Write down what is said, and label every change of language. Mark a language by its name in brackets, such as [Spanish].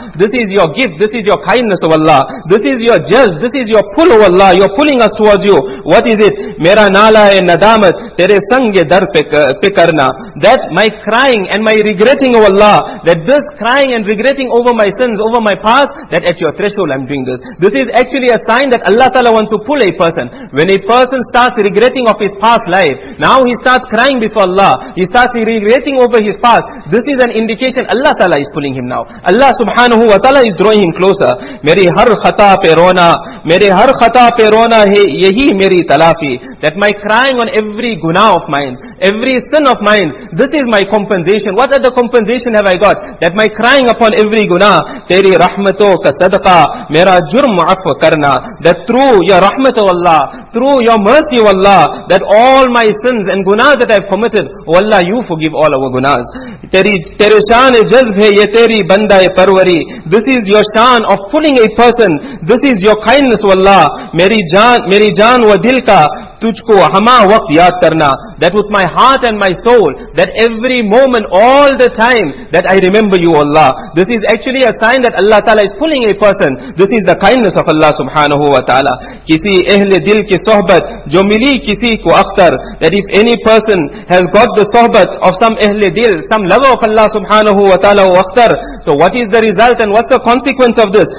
[English] This is your gift, this is your kindness of Allah, this is your jazb, this is your pull of Allah, you're pulling us towards you. What is it? [Urdu] میرا نالہ ندامت تیرے سنگ در پہ کرنا. [English] That my crying and my regretting of Allah, that this crying and regretting over my sins, over my past, that at your threshold I'm doing this. This is actually a sign that Allah Ta'ala wants to pull a person. When a person starts regretting of his past life, now he starts crying before Allah, he starts regretting over his past, this is an indication Allah Ta'ala is pulling him now. Allah subhanahu wa ta'ala is drawing him closer. [Urdu] میری ہر خطا پہ رونا, میرے ہر خطا پہ رونا ہے یہی میری تلافی. [English] That my crying on every guna of mine, every sin of mine, this is my compensation. What other compensation have I got? That my crying upon every guna, [Urdu] تیری رحمتوں کا صدقہ میرا جرم عفو کرنا. [English] That through your rahmat of Allah, through your mercy of Allah, that all my sins and guna that I've committed, oh Allah, you forgive all of our gunas. [Urdu] تیرے شان جذب ہے یہ تیری بندہ پروری. [English] This is your shan of pulling a person. This is your kindness, oh Allah. [Urdu] میری جان و دل کا تجھ کو ہما وقت یاد کرنا. [English] That with my heart and my soul, that every moment, all the time, that I remember you, Allah. This is actually a sign that Allah Ta'ala is pulling a person. This is the kindness of Allah subhanahu wa ta'ala. [Urdu] Kisi ehle dil ki sohbat, jo mili kisi ko akhtar. [English] That if any person has got the sohbat of some ehle dil, some lover of Allah subhanahu wa ta'ala wo akhtar, so what is the result and what's the consequence of this?